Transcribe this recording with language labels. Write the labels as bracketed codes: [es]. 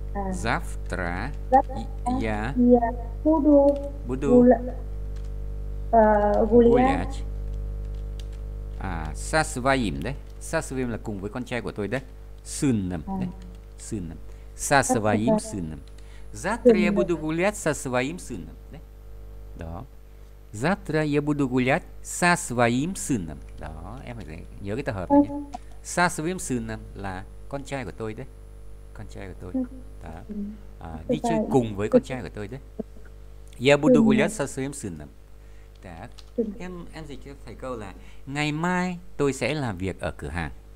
[ru] Завтра я буду гулять гулять со своим, да? Со своим [vi] là cùng với con trai của tôi đấy. [ru] Сыном, да? Сыном. Со своим сыном. Завтра я буду гулять со своим сыном, да? [vi] Đó. [ru] Завтра я буду гулять со своим сыном. [vi] Đó, em phải nhớ cái tập hợp này nhé. [ru] Со своим сыном [vi] là con trai của tôi đấy. Con trai của tôi. Đó. À, đi chơi cùng với con trai của tôi đấy. [ru] Я буду [vi] em dịch cho thầy câu là ngày mai tôi sẽ làm việc ở cửa hàng.